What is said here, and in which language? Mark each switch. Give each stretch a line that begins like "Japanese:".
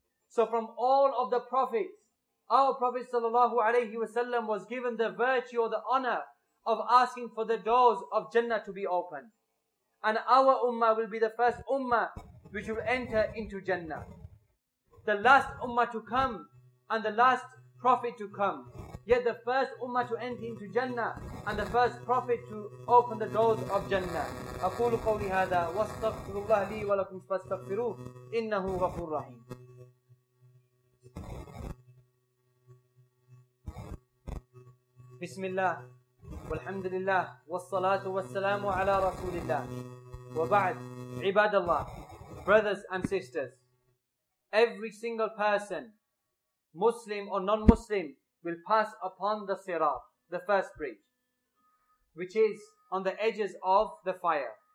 English: So from all of the prophets, our Prophet sallallahu alayhi wa sallam was given the virtue or the honor of asking for the doors of Jannah to be opened. And our ummah will be the first ummah which will enter into Jannah. The last ummah to come and the last prophet to come. Yet the first ummah to enter into Jannah and the first prophet to open the doors of Jannah.
Arabic: أقول قولي هذا واستغفر الله لي ولكم فاستغفروه إنه غفور رحيم. بسم الله والحمد لله والصلاة والسلام على رسول الله. وبعد عباد الله,
English: brothers and sisters, every single person, Muslim or non-Muslim, will pass upon the sirat, the first bridge, which is on the edges of the fire.